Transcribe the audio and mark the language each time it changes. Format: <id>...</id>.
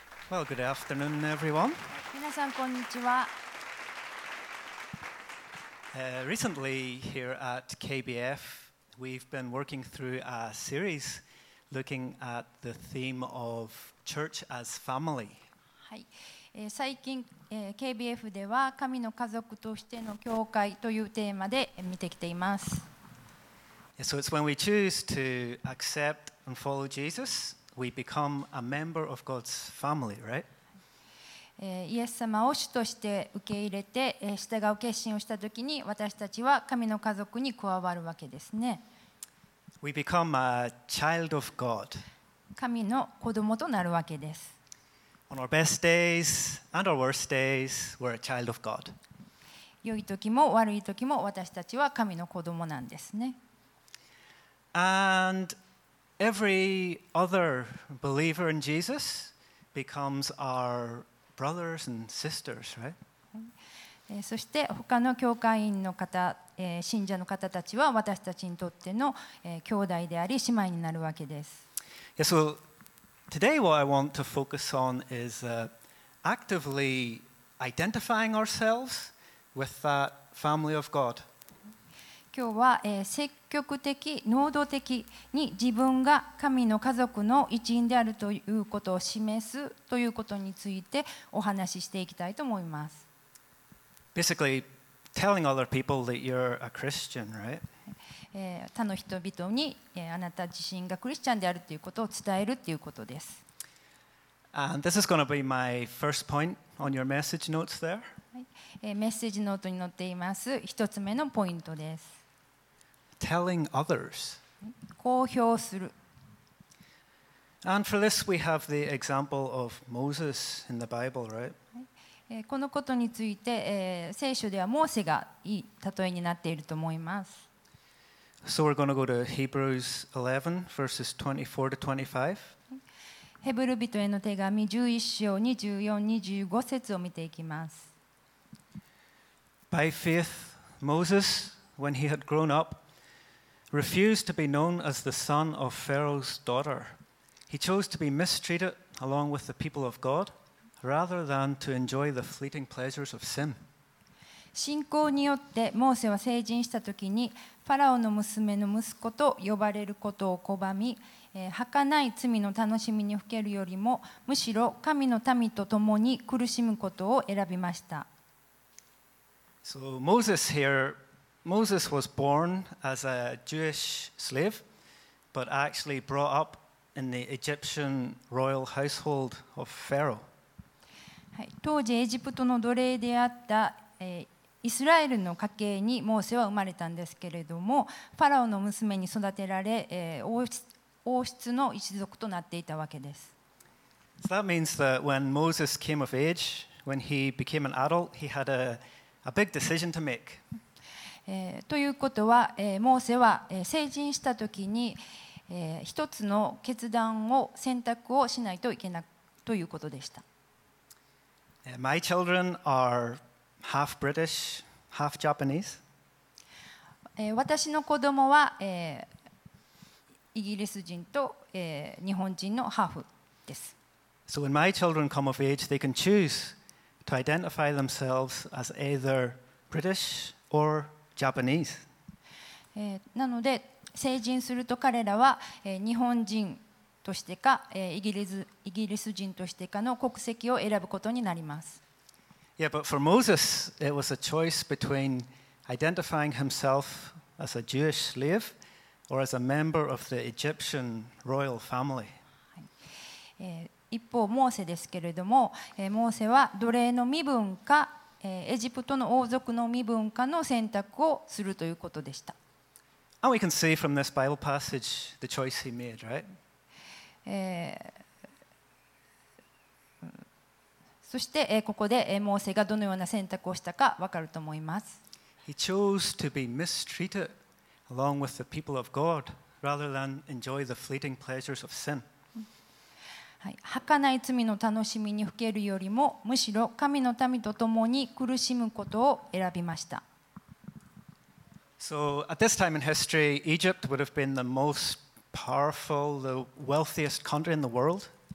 <en>Well, good afternoon, everyone.</en> <ja>皆さん、こんにちは。</ja> <en>Recently, here at KBF, we've been working through a series looking at the theme of church as family.</en> <ja>はい。最近、KBF では神の家族としての教会というテーマで見てきています。</ja> <en>So it's when we choose to accept and follow Jesus, we become a member of God's family, right?</en> <ja>イエス様を主として受け入れて従う決心をしたときに私たちは神の家族に加わるわけですね。</ja> <en>We become a child of God.</en> <ja>神の子供となるわけです。</ja> <en>On our best days and our worst days, we're a child of God.</en> <ja>良い時も悪い時も私たちは神の子供なんですね。</ja> <en>And every other believer in Jesus becomes our brothers and sisters, right?</en> <ja>そして他の教会員の方、信者の方たちは私たちにとっての、兄弟であり姉妹になるわけです。</ja> <en>Yeah, so today what I want to focus on is actively identifying ourselves with that family of God.</en> <ja>今日は、積極的、能動的に自分が神の家族の一員であるということを示すということについてお話ししていきたいと思います。</ja> <en>Basically, telling other people that you're a Christian, right?</en> <ja>他の人々に、あなた自身がクリスチャンであるということを伝えるということです。</ja> <en>And this is going to be my first point on your message notes there.</en> <ja>メッセージノートに載っています一つ目のポイントです。</ja> <en>Telling others.</en> <ja>公表する。</ja> <en>And for this, we have the example of Moses in the Bible, right?</en> <ja>このことについて、聖書ではモーセがいい例えになっていると思います。</ja> <en>So we're going to go to Hebrews 11, verses 24 to 25.</en> <ja>ヘブル人への手紙11章24、25節を見ていきます。</ja> <en>By faith, Moses, when he had grown up,refused to be known as the son of Pharaoh's daughter. He chose to be mistreated along with the people of God rather than to enjoy the fleeting pleasures of sin.</en> <ja>信仰によってモーセは成人したときにファラオの娘の息子と呼ばれることを拒み、儚い罪の楽しみにふけるよりもむしろ神の民と共に苦しむことを選びました。</ja> <en>So Moses hereMoses was born as a Jewish slave, but actually brought up in the Egyptian royal household of Pharaoh.</en> <ja>はい、当時エジプトの奴隷であった、イスラエルの家系にモーセは生まれたんですけれども、ファラオの娘に育てられ、王室の一族となっていたわけです。</ja> <en>So that means that when Moses came of age, when he became an adult, he had a big decision to make.</en> <ja>ということは、モーセは成人したときに、一つの決断を選択をしないといけないということでした。</ja> <en>My children are half British, half Japanese.</en> <ja>私の子供は、イギリス人と、日本人のハーフです。</ja> <en>So when my children come of age, they can choose to identify themselves as either British or Japanese.</en> <ja>なので成人すると彼らは、日本人としてか、イギリス人としてかの国籍を選ぶことになります。</ja> <en>Yeah, but for Moses, it was a choice between identifying himself as a Jewish slave or as a member of the Egyptian royal family.</en> <ja>一方モーセですけれども、モーセは奴隷の身分かエジプトの王族の身分かの選択をするということでした。</ja> <en>And we can see from this Bible passage the choice he made, right?</en> <ja>そしてここでモーセがどのような選択をしたかわかると思います。</ja> <en>He chose to be mistreated along with the people of God rather than enjoy the fleeting pleasures of sin.</en> <ja>はかない罪の楽しみにふけるよりもむしろ神の民と共に苦しむことを選びました。</ja> <en>So at this time in history, Egypt would have been the most powerful, the wealthiest country in the world.</en>